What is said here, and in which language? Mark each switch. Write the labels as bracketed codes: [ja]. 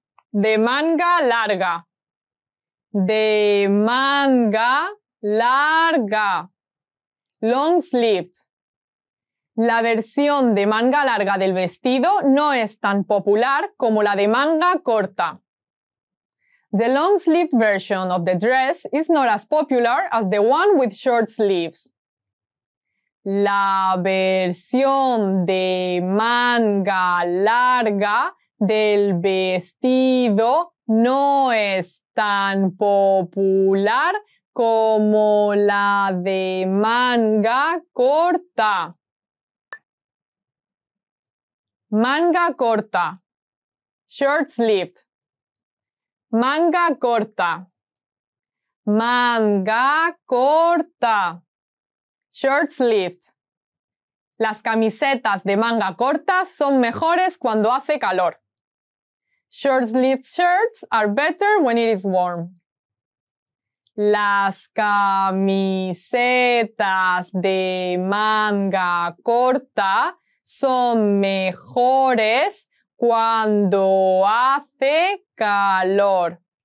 [es] De manga larga. De manga larga. [en] Long sleeved. [es] La versión de manga larga del vestido no es tan popular como la de manga corta. [en] The long-sleeved version of the dress is not as popular as the one with short sleeves. [es] La versión de manga larga del vestido no es tan popular como la de manga corta. Manga corta. Short-sleeved. Manga corta. Manga corta. [en] Short-sleeved. [es] Las camisetas de manga corta son mejores cuando hace calor. [en] Short-sleeved shirts are better when it is warm. [es] Las camisetas de manga corta son mejores cuando hace calor.